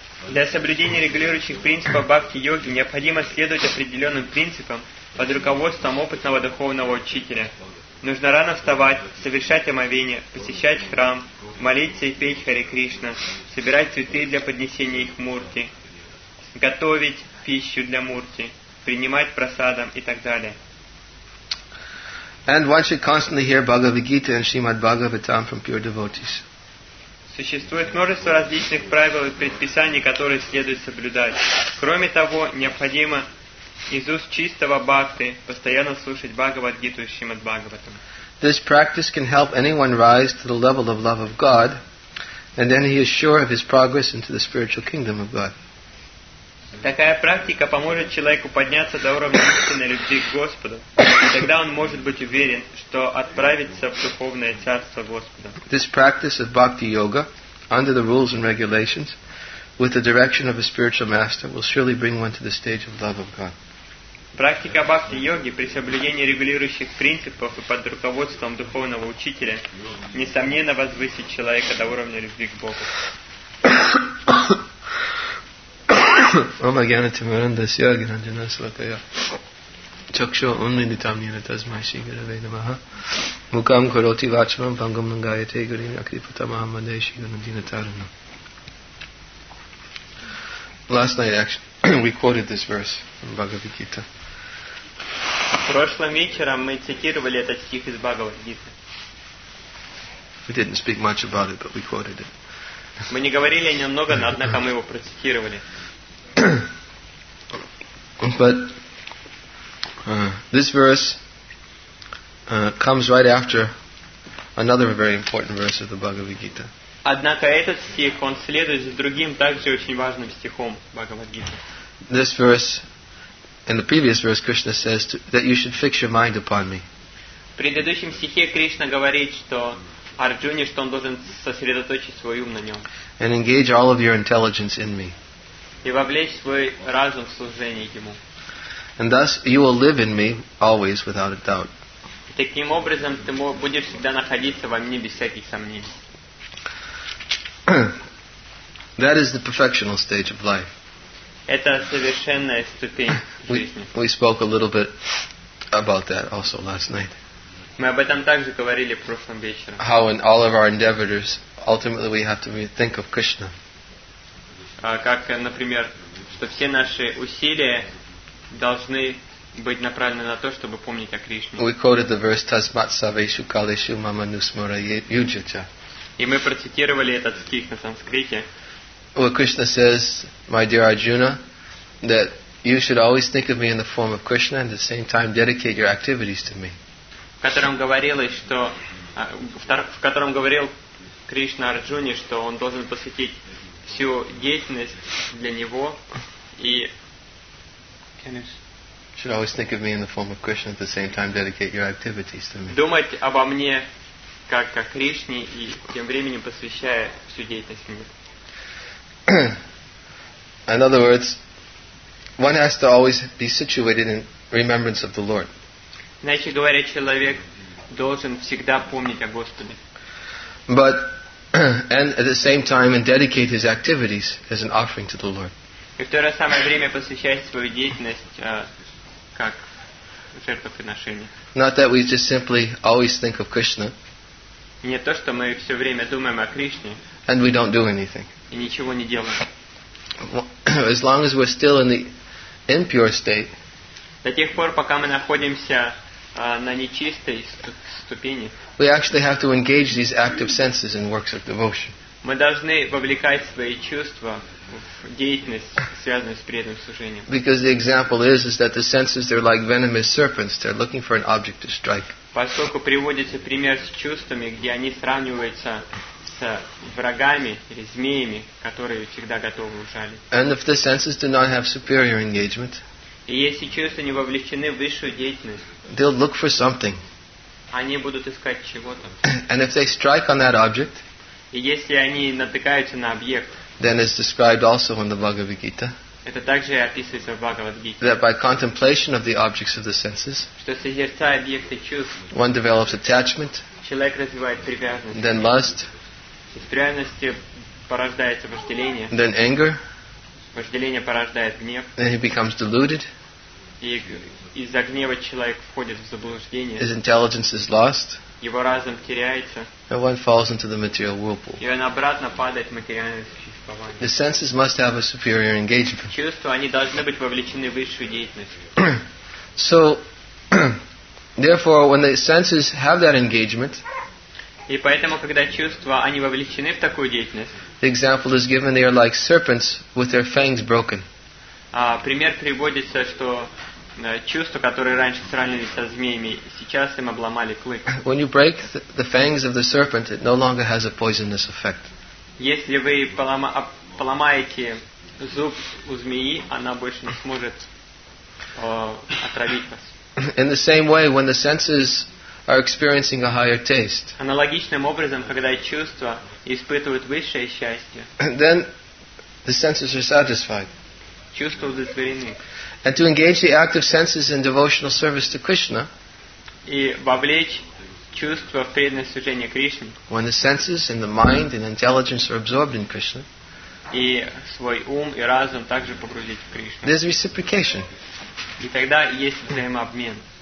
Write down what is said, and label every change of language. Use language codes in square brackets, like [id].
[ru] Для соблюдения регулирующих принципов Бхакти Йоги необходимо следовать определенным принципам. Под руководством опытного духовного учителя нужно рано вставать, совершать омовение, посещать храм, молиться и петь Харе Кришна, собирать цветы для поднесения их Мурти, готовить пищу для Мурти, принимать прасадам и так далее. [en] And one should constantly hear Bhagavad Gita and Srimad Bhagavatam from pure devotees. [ru] Существует множество различных правил и предписаний, которые следует соблюдать. Кроме того, необходимо из уст чистого бхакты постоянно слушать Бхагавад-гиту и Шримад-бхагаватам. [en] This practice can help anyone rise to the level of love of God And then he is sure of his progress into the spiritual kingdom of God. [ru] Такая практика поможет человеку подняться до уровня истинной любви к Господу. Тогда он может быть уверен, что отправится в духовное царство Господа. [en] This practice of bhakti yoga, under the rules and regulations, with the direction of a spiritual master, will surely bring one to the stage of love of God. [ru] Практика бхакти йоги при соблюдении регулирующих принципов и под руководством духовного учителя несомненно возвысит человека до уровня любви к Богу. [sa] Ом агьянатимарандасья агьянанджанасалакая чакшо уннитамнина тасмай шри гуравей намаха мукам кароти вачмам пангам нангаяте гурин акрипатамаха мадай шри гурандина таруна. [en] Last night actually we quoted this verse from Bhagavad Gita. [ru] Прошлым вечером мы цитировали этот стих из Бхагавад-гиты. [en] We didn't speak much about it, but we quoted it. [ru] Мы не говорили о нем много, но однако мы его процитировали. [en] But this verse comes right after another very important verse of the Bhagavad-gita. [ru] Однако этот стих, он следует за другим также очень важным стихом Бхагавад-гиты. [en] This verse. In the previous verse, Krishna says that you should fix your mind upon me. [ru] В предыдущем стихе Кришна говорит, что Арджуне, что он должен сосредоточить свой ум на нем. [en] And engage all of your intelligence in me. [ru] И вовлечь свой разум в служение ему. [en] And thus you will live in me always, without a doubt. [ru] Таким образом ты будешь всегда находиться во мне без всяких сомнений. [en] That is the perfectional stage of life. [ru] Это совершенная ступень жизни. [en] We spoke a little bit about that also last night. [ru] Мы об этом также говорили прошлым вечером. [en] How in all of our endeavors, ultimately we have to think of Krishna. [ru] Как, например, что все наши усилия должны быть направлены на то, чтобы помнить о Кришне. [en] We quoted the verse [sa] Tasmat Saveshu Kaleshu Mama Nusmaraye Yujacha. [ru] И мы процитировали этот стих на санскрите. [en] Well, Krishna says, my dear Arjuna, that you should always think of me in the form of Krishna and at the same time dedicate your activities to me. [ru] В котором говорил Кришна Арджуне, что он должен посвятить всю деятельность для него и [en] should always think of me in the form of Krishna at the same time dedicate your activities to me. [ru] Думать обо мне как о Кришне и тем временем посвящая всю деятельность мне. [en] In other words, one has to always be situated in remembrance of the Lord. [ru] Иначе говоря, человек должен всегда помнить о Господе. [en] But and at the same time and dedicate his activities as an offering to the Lord. [ru] И в то же самое время посвящать свою деятельность как жертвоприношение. [en] Not that we just simply always think of Krishna. [ru] Не то, что мы все время думаем о Кришне. [en] And we don't do anything. [ru] И ничего не делаем. [en] As long as we're still in the impure state. [ru] До тех пор, пока мы находимся на нечистой ступени. [en] We actually have to engage these active senses in works of devotion. [ru] Мы должны вовлекать свои чувства в деятельность, связанную с преданным служением. [en] Because the example is that the senses, they're like venomous serpents, they're looking for an object to strike. [ru] Поскольку приводится пример с чувствами, где они сравниваются с врагами или змеями, которые всегда готовы ужалить. [en] And if the senses do not have superior engagement, [ru] и если чувства не вовлечены в высшую деятельность, [en] they'll look for something. [ru] Они будут искать чего-то. [en] And if they strike on that object, [ru] и если они натыкаются на объект, [en] then it's described also in the Bhagavad Gita. [ru] Это также описывается в Бхагавад-гите. [en] That by contemplation of the objects of the senses, [ru] что созерцая объекты чувств, [en] one develops attachment, [ru] человек развивает привязанность, [en] then lust. [ru] Из привязанности порождается вожделение. [en] Then anger. [ru] Вожделение порождает гнев. [en] Then he becomes deluded. [ru] И из-за гнева человек входит в заблуждение. [en] His intelligence is lost. [ru] Его разум теряется. [en] And one falls into the material whirlpool. [ru] И он обратно падает в материальное существование. [en] The senses must have a superior engagement. [ru] Чувства, они должны быть вовлечены в высшую деятельность. [en] So, therefore, when the senses have that engagement, [ru] и поэтому, когда чувства, они вовлечены в такую деятельность. [en] The example is given, they are like serpents with their fangs broken. [ru] Пример приводится, что чувства, которые раньше сравнивались со змеями, сейчас им обломали клык. [en] When you break the fangs of the serpent, it no longer has a poisonous effect. [ru] Если вы поломаете зуб у змеи, она больше не сможет отравить вас. [en] In the same way, when the senses are experiencing a higher taste. [ru] Аналогичным образом, когда чувства испытывают высшее счастье. [en] Then the senses are satisfied. [ru] Чувства удовлетворены. [en] And to engage the active senses in devotional service to Krishna. [ru] И вовлечь чувства в преданное служение Кришне. [en] When the senses and the mind and intelligence are absorbed in Krishna. [ru] И свой ум и разум также погрузить в Кришну. [en] There's reciprocation. [ru] И тогда есть взаимообмен.